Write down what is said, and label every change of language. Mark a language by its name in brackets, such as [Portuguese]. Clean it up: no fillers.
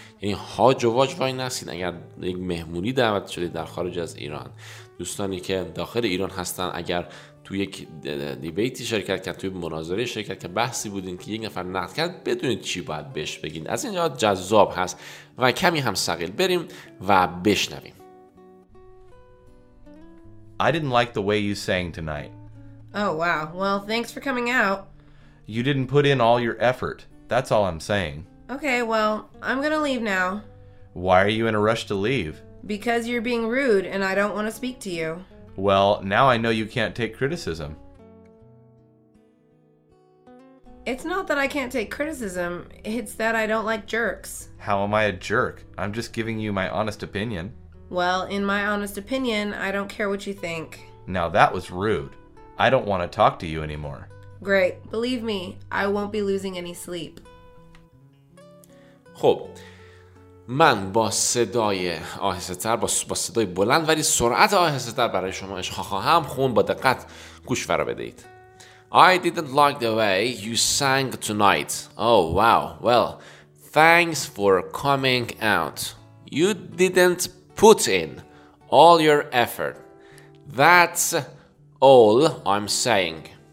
[Persian] یعنی هاج و واج وای نستید. اگر یک مهمونی دعوت شدید در خارج از ایران، دوستانی که داخل ایران هستن، اگر تو یک دیبیتی شرکت کرد، توی مناظره شرکت کرد، بحثی بودین که یک نفر نقد کرد، بدونید چی باید بهش بگید. از اینجا جذاب هست و کمی هم ثقیل. بریم و بشنویم. [English] I didn't like the way you sang tonight. Oh wow. Well, thanks for coming out. You didn't put in all your effort. That's all I'm saying. Okay, well, I'm gonna leave now. Why are you in a rush to leave? Because you're being rude and I don't want to speak to you. Well, now I know you can't take criticism. It's not that I can't take criticism, it's that I don't like jerks. How am I a jerk? I'm just giving you my honest opinion. Well, in my honest opinion, I don't care what you think. Now that was rude. I don't want to talk to you anymore. Great. Believe me, I won't be losing any sleep. [Persian] خب، من با صدای آهسته تر، با صدای بلند ولی سرعت آهسته تر برای شما خواهم خون، با دقت گوش فرا بدهید. [English] I didn't like the way you sang tonight. Oh wow, well, thanks for coming out. You didn't put in all your effort. That's all I'm saying.